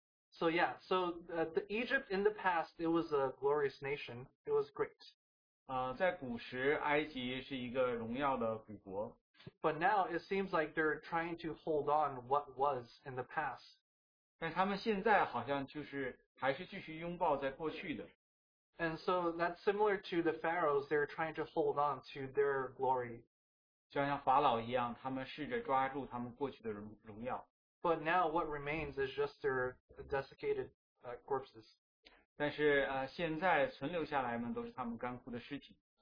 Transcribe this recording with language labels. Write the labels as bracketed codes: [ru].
[en] So Egypt in the past, it was a glorious nation. It was great. [zh] 在古时，埃及是一个荣耀的古国。 [en] But now it seems like they're trying to hold on what was in the past. [zh] 但他们现在好像就是还是继续拥抱在过去的。 [en] And so that's similar to the pharaohs. They're trying to hold on to their glory. [zh] 就像法老一样，他们试着抓住他们过去的荣耀。 [en] But now what remains is just their desiccated corpses. [zh] 但是现在存留下来的都是他们干枯的尸体。